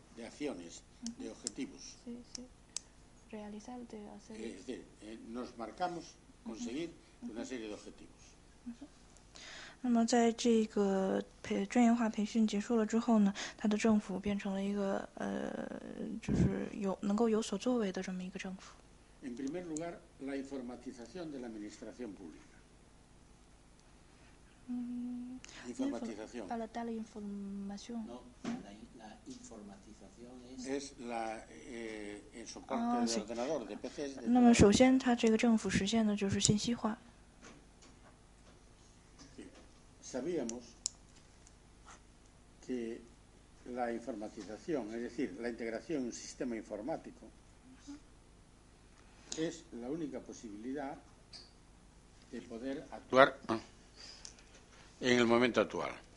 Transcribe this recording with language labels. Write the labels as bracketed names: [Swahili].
[Spanish] de acciones, de objetivos. Sí, sí. Realizar, de hacer. Es decir, nos marcamos conseguir una serie de objetivos. [Chinese] 那么在这个培专业化培训结束了之后呢，他的政府变成了一个就是有能够有所作为的这么一个政府。 [Spanish] En primer lugar, la informatización de la administración pública. Informatización. Para dar la información. No, la informatización es la, el soporte del ordenador, de PCs. [Chinese] 那么首先他这个政府实现的就是信息化。 [Spanish] Sabíamos que la informatización, es decir, la integración en un sistema informático, es la única posibilidad de poder actuar en el momento actual.